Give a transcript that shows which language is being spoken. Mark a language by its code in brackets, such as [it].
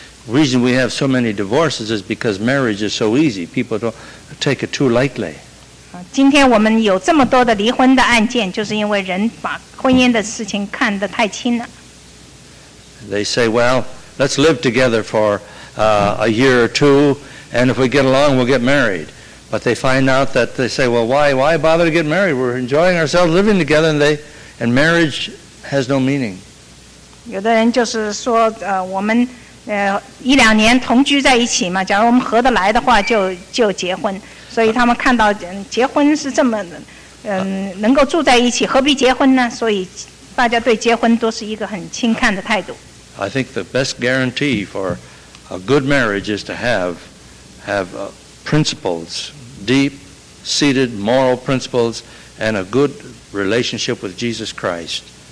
[en] The reason we have so many divorces is because marriage is so easy. People don't take it too lightly. [zh] 今天我们有这么多的离婚的案件，就是因为人把婚姻的事情看得太轻了。 [en] They say, well, let's live together for a year or two, and if we get along, we'll get married. But they find out that they say, well, why bother to get married? We're enjoying ourselves living together, and marriage has no meaning. [zh] 有的人就是说我们一两年同居在一起嘛，假如我们合得来的话就结婚，所以他们看到结婚是这么能够住在一起，何必结婚呢？所以大家对结婚都是一个很轻看的态度。 [en] I think the best guarantee for a good marriage is to have principles, deep-seated moral principles, and a good relationship with Jesus Christ.